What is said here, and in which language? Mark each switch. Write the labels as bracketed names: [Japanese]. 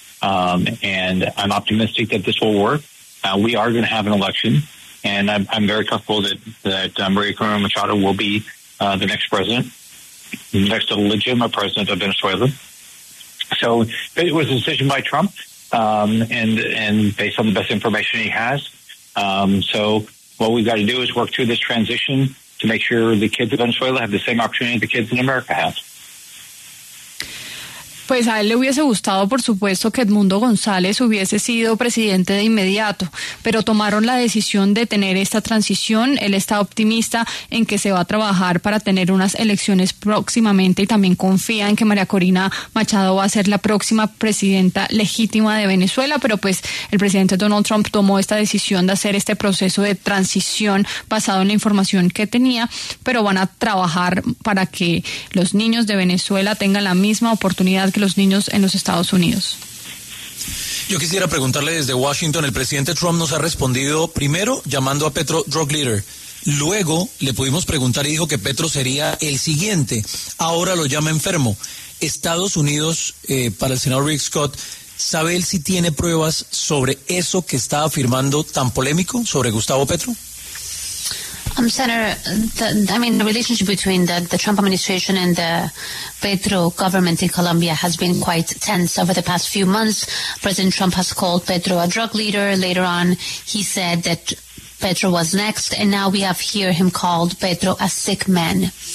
[English] And I'm optimistic that this will work. We are going to have an election, and I'm very comfortable that María Corina Machado will be the next president, the next legitimate president of Venezuela. So it was a decision by Trump and based on the best information he has. So what we've got to do is work through this transition to make sure the kids of Venezuela have the same opportunity the kids in America have. [Spanish] Pues a él le hubiese gustado, por supuesto, que Edmundo González hubiese sido presidente de inmediato, pero tomaron la decisión de tener esta transición. Él está optimista en que se va a trabajar para tener unas elecciones próximamente y también confía en que María Corina Machado va a ser la próxima presidenta legítima de Venezuela, pero pues el presidente Donald Trump tomó esta decisión de hacer este proceso de transición basado en la información que tenía, pero van a trabajar para que los niños de Venezuela tengan la misma oportunidad que los niños en los Estados Unidos. Yo quisiera preguntarle desde Washington, el presidente Trump nos ha respondido primero llamando a Petro [English] drug leader, [Spanish] luego le pudimos preguntar y dijo que Petro sería el siguiente, ahora lo llama enfermo. Estados Unidos, para el senador Rick Scott, ¿sabe él si tiene pruebas sobre eso que está afirmando tan polémico sobre Gustavo Petro? [English] Senator, the relationship between the Trump administration and the Petro government in Colombia has been quite tense over the past few months. President Trump has called Petro a drug leader. Later on, he said that Petro was next, and now we have heard him called Petro a sick man.